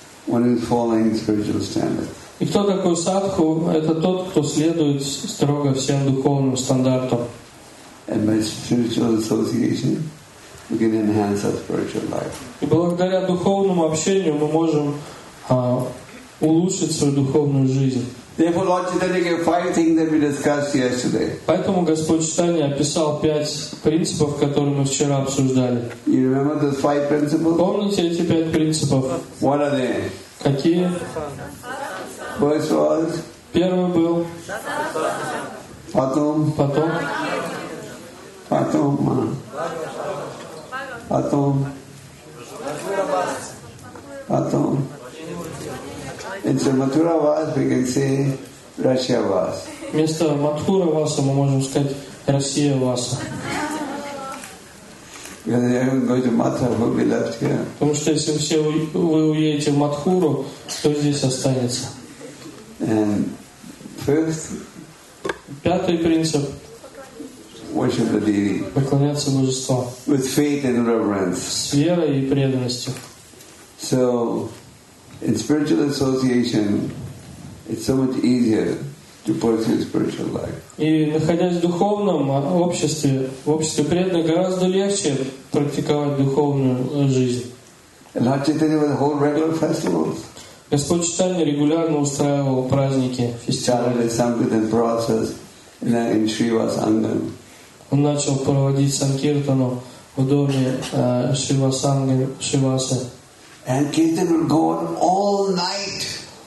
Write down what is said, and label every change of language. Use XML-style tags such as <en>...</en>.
<en>One who is following spiritual standards.</en> <ru>И кто такой садху? Это тот, кто следует строго всем духовным стандартам.</ru> <en>And by spiritual association, we can enhance our spiritual life.</en> <ru>И благодаря духовному общению мы можем улучшить свою духовную жизнь.</ru> <en>Therefore, Lord Chaitanya gave five things that we discussed yesterday.</en> <ru>Поэтому Господь Читания описал пять принципов, которые мы вчера обсуждали.</ru> <en>You remember those five principles?</en> <ru>Помните эти пять принципов?</ru> <en>What are they?</en> <ru>Какие?</ru> <en>First was.</en> <ru>Первый был. Потом. Потом. Потом. Потом. Потом.</ru> <en>Instead of Mathura Vas, we can say Russia Vas.</en> <ru>Вместо Матхура Васа мы можем сказать Россия Васа.</ru> <en>Because if everyone goes to Mathura, we'll be left here.</en> <ru>Потому что если все вы уедете в Матхуру, то здесь останется.</ru> <en>And first.</en> <ru>Пятый принцип.</ru> <en>Worship the deity.</en> <ru>Поклоняться божеству.</ru> <en>With faith and reverence.</en> <ru>С верой и преданностью.</ru> <en>So. In spiritual association, it's so much easier to pursue spiritual life.</en> <ru>И находясь в духовном обществе, в обществе преданных, гораздо легче практиковать духовную жизнь.</ru> <en>Lord Chaitanya would hold regular festivals.</en> <ru>Господь Читания регулярно устраивал праздники.</ru> <en>Started the Sankirtan process in Shrivas Angam.</en> <ru>Он начал проводить санкиртану в доме Шривасы.</ru> <en>And Kirtan would go on all night.</en>